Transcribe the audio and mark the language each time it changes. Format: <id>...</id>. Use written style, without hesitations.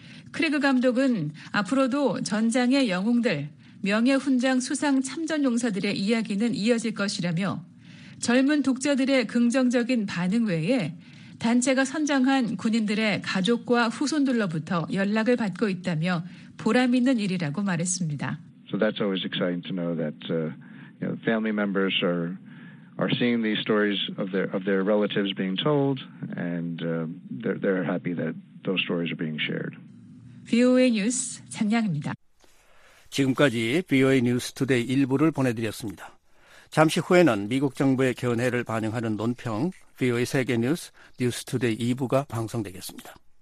<ko>크레그 감독은 앞으로도 전장의 영웅들, 명예 훈장 수상 참전 용사들의 이야기는 이어질 것이라며 젊은 독자들의 긍정적인 반응 외에 단체가 선정한 군인들의 가족과 후손들로부터 연락을 받고 있다며 보람 있는 일이라고 말했습니다.</ko> <en>So that's always exciting to know that you know, family members are seeing these stories of their relatives being told, and they're happy that those stories are being shared.</en> <ko>VOA 뉴스 장량입니다. 지금까지 VOA 뉴스 투데이 일부를 보내드렸습니다. 잠시 후에는 미국 정부의 견해를 반영하는 논평, VOA 세계 뉴스, 뉴스 투데이 2부가 방송되겠습니다.</ko>